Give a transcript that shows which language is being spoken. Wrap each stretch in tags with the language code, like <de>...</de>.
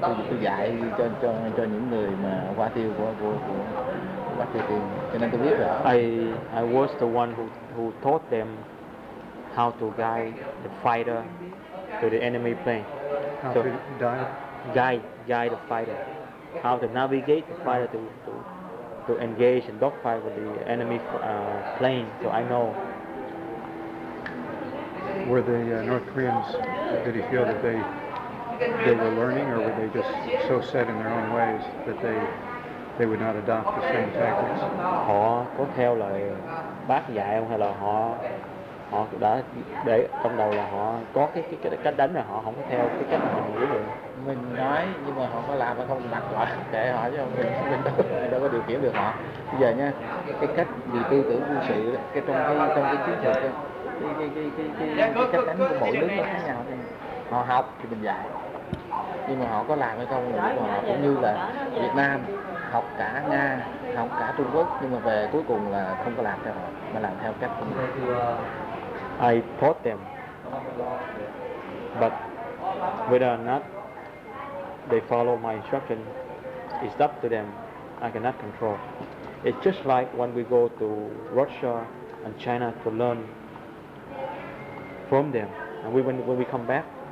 <vi>Tôi dạy cho những người mà hoa tiêu của Bắc Triều Tiên, cho nên tôi biết rõ.</vi> <en>I was the one who taught them how to guide the fighter to the enemy plane. How to guide the fighter, how to navigate the fighter to engage and dogfight with the enemy plane. So I know. Were the North Koreans, did he feel that they were learning, or were they just so set in their own ways that they would not adopt the same tactics?</en> <vi>Họ có theo lời bác dạy không, hay là họ đã để trong đầu là họ có cái cách đánh rồi, họ không có theo cái cách mình nghĩ được. Mình nói nhưng mà họ có làm hay không mặc họ, kệ họ, chứ mình đâu có điều khiển được họ. Bây giờ nha, cái cách về tư tưởng quân sự, cái trong cái chiến thuật, cái cách đánh của mỗi nước nó khác nhau. Họ học thì mình dạy, nhưng mà họ có làm hay không là của họ. Cũng như là Việt Nam học cả Nga, học cả Trung Quốc, nhưng mà về cuối cùng là không có làm theo họ mà làm theo cách của mình.</vi> <en>I taught them, but whether or not they follow my instruction is up to them. I cannot control. It's just like when we go to Russia and China to learn from them, and when we come back,</en>